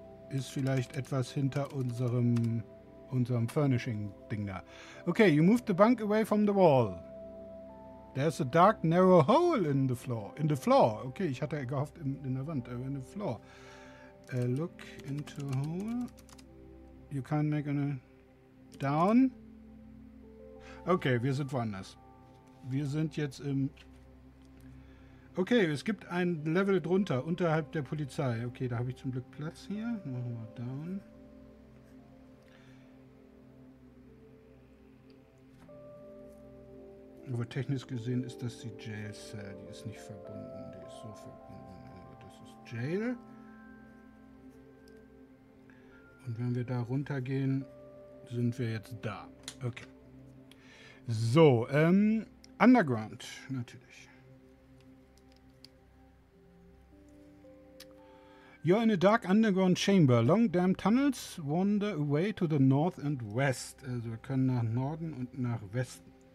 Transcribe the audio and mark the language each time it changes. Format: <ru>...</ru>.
<de>Ist vielleicht etwas hinter unserem furnishing Ding da.</de> <en>Okay, you move the bunk away from the wall. There's a dark, narrow hole in the floor. In the floor. Okay,</en> <de>ich hatte gehofft in der Wand.</de> <en>In the floor. Look into a hole. You can't make any... Down.</en> <de>Okay, wir sind woanders. Wir sind jetzt im... Okay, es gibt ein Level drunter, unterhalb der Polizei. Okay, da habe ich zum Glück Platz hier. Machen wir down. Aber technisch gesehen ist das die Jail Cell. Die ist nicht verbunden. Die ist so verbunden. Das ist Jail. Und wenn wir da runtergehen, sind wir jetzt da. Okay. So, Underground natürlich.</de> <en>You're in a dark underground chamber. Long damn tunnels wander away to the north and west.</en> <de>Also wir können nach Norden und nach Westen.</de>